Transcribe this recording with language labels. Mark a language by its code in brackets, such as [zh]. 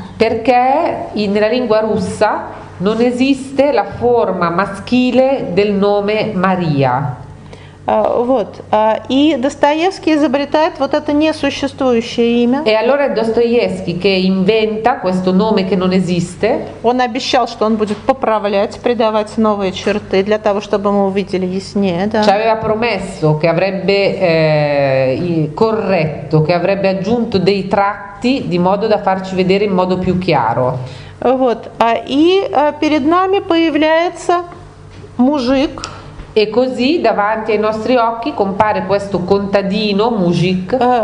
[it] Perché nella lingua russa non esiste la forma maschile del nome Maria. [ru] Вот. И Достоевский изобретает вот это несуществующее имя. [it] E allora Достоевский, che inventa questo nome che non esiste. [ru] Он обещал, что он будет поправлять, придавать новые черты для того, чтобы мы увидели яснее, да. [it] Ci aveva promesso che avrebbe corretto, che avrebbe aggiunto dei tratti di modo da farci vedere in modo più chiaro. [ru] Вот. И перед нами появляется мужик. [it] E così davanti ai nostri occhi compare questo contadino, mujik,